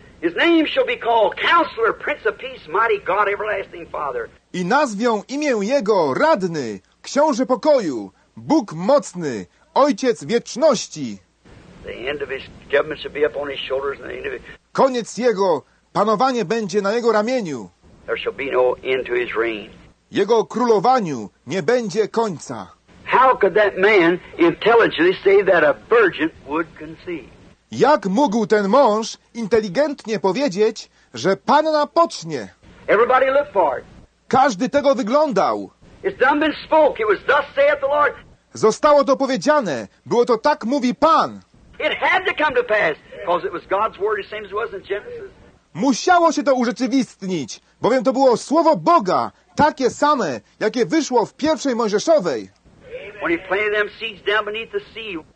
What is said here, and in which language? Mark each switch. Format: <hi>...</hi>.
<en>His name shall be called Counselor, Prince of Peace, Mighty God, Everlasting Father.</en> <pl>I nazwią imię jego Radny, Książę Pokoju, Bóg Mocny, Ojciec Wieczności.</pl> <en>The end of his government shall be upon his shoulders. And the end of it.</en> <pl>Koniec jego panowanie będzie na jego ramieniu.</pl> <en>There shall be no end to his reign.</en> <pl>Jego królowaniu nie będzie końca.</pl> <en>How could that man intelligently say that a virgin would conceive?</en> <pl>Jak mógł ten mąż inteligentnie powiedzieć, że panna pocznie?</pl> <en>Everybody looked for it.</en> <pl>Każdy tego wyglądał.</pl> <en>It's done been spoke. It was thus saith the Lord.</en> <pl>Zostało to powiedziane. Było to tak mówi Pan.</pl> <en>It had to come to pass, because it was God's word, the same as it was in Genesis.</en> <pl>Musiało się to urzeczywistnić, bowiem to było słowo Boga, takie same, jakie wyszło w pierwszej Mojżeszowej.</pl> <en>When he planted them seeds down beneath the sea.</en>